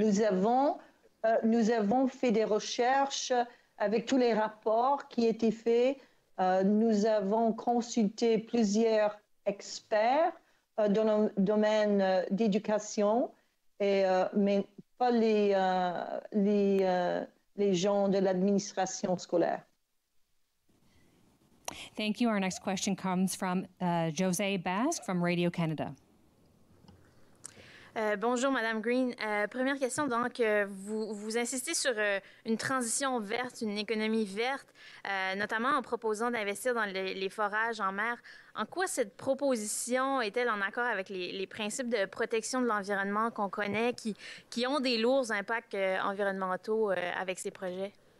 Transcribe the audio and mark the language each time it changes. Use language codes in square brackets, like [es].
[fr] Nous avons fait des recherches avec tous les rapports qui étaient faits. Nous avons consulté plusieurs experts dans le domaine d'éducation, mais pas les gens de l'administration scolaire. [en] Thank you. Our next question comes from José Basque from Radio Canada. [fr] Bonjour, Madame Greene. Première question, donc, vous insistez sur une transition verte, une économie verte, notamment en proposant d'investir dans les forages en mer. En quoi cette proposition est-elle en accord avec les principes de protection de l'environnement qu'on connaît, qui ont des lourds impacts environnementaux avec ces projets?